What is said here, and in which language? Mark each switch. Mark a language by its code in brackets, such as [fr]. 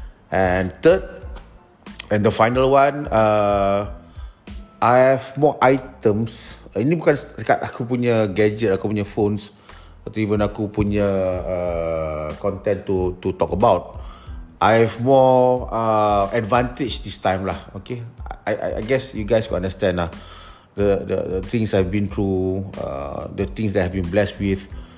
[en] And third and the final one, I have more items. [ms] Ini bukan dekat aku punya gadget, aku punya phones, atau even aku punya [en] content to talk about. I have more advantage this time lah. Okay, I guess you guys could understand lah, the things I've been through, the things that I've been blessed with.